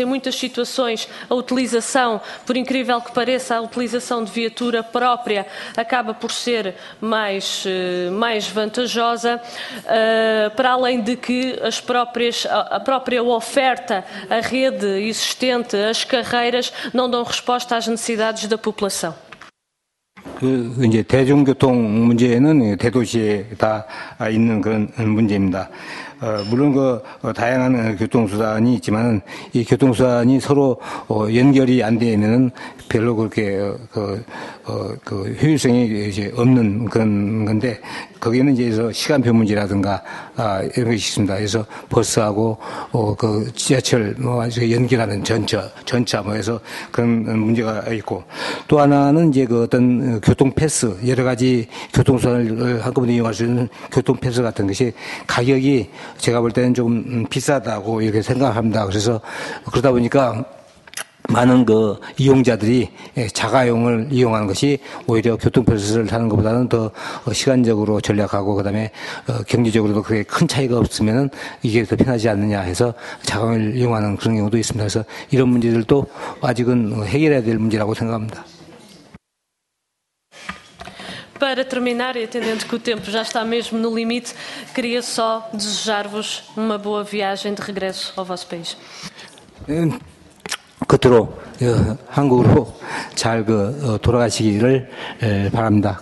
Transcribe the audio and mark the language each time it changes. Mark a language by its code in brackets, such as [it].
[pt] Em muitas situações, a utilização, por incrível que pareça, a utilização de viatura própria acaba por ser mais vantajosa. Para além de que a própria oferta, a rede existente, as carreiras, não dão resposta às necessidades da população. [ko] 이제 대중교통 문제는 대도시에 다 있는 그런 문제입니다. 물론 그 다양한 교통수단이 있지만은 이 교통수단이 서로 연결이 안 되면은 별로 그렇게 그 효율성이 이제 없는 그런 건데 거기는 이제 시간표 문제라든가 이런 것이 있습니다. 그래서 버스하고 그 지하철 뭐 아주 연결하는 전차 뭐 해서 그런 문제가 있고 또 하나는 이제 그 어떤 교통 패스 여러 가지 교통수단을 한꺼번에 이용할 수 있는 교통 패스 같은 것이 가격이 제가 볼 때는 좀 비싸다고 이렇게 생각합니다. 그래서 그러다 보니까 많은 그 이용자들이 자가용을 이용하는 것이 오히려 교통패스를 타는 것보다는 더 시간적으로 전략하고 그다음에 경제적으로도 그게 큰 차이가 없으면은 이게 더 편하지 않느냐 해서 자가용을 이용하는 그런 경우도 있습니다. 그래서 이런 문제들도 아직은 해결해야 될 문제라고 생각합니다. [pt] Para terminar, e atendendo que o tempo já está mesmo no limite, queria só desejar-vos uma boa viagem de regresso ao vosso país. [ko] 끝으로 한국으로 잘 돌아가시기를 바랍니다.